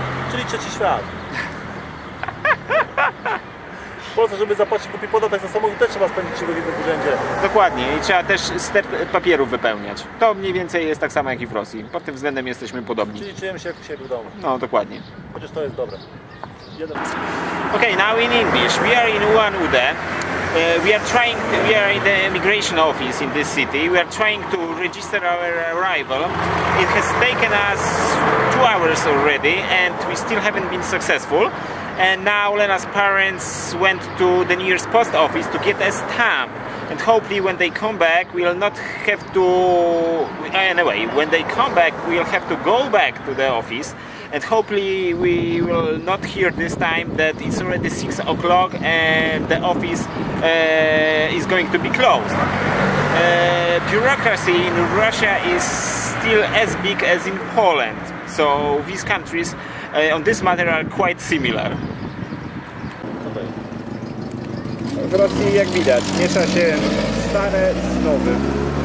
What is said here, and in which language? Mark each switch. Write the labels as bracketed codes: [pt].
[pl] Czyli trzeci świat. W Polsce, żeby zapłacić, kupić podatek za samochód, też trzeba spędzić się w jednym urzędzie. Dokładnie, i trzeba też ster papierów wypełniać. To mniej więcej jest tak samo jak i w Rosji. Pod tym względem jesteśmy podobni. Czyli czujemy się jak u siebie w domu. No, dokładnie. Chociaż to jest dobre. [en] Okay, now in English, we are in Ulan-Ude. We are in the immigration office in this city. We are trying to register our arrival. It has taken us 2 hours already and we still haven't been successful. And now Lena's parents went to the nearest post office to get a stamp. And hopefully when they come back, we'll not have to... Anyway, when they come back, we'll have to go back to the office. And hopefully we will not hear this time that it's already 6 o'clock and the office is going to be closed. Bureaucracy in Russia is still as big as in Poland. So these countries on this matter are quite similar. [pl] W Rosji, jak widać, miesza się stare z nowym.